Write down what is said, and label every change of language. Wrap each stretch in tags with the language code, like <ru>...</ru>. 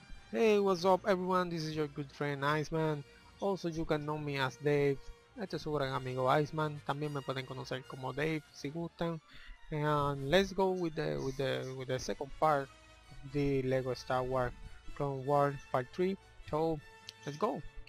<en>Hey, what's up everyone, this is your good friend Iceman. Also you can know me as Dave.</en> <es>Este es su gran amigo Iceman. También me pueden conocer como Dave si gustan.</es> <en>And let's go with the second part of the Lego Star Wars Clone Wars Part 3. So let's go.</en>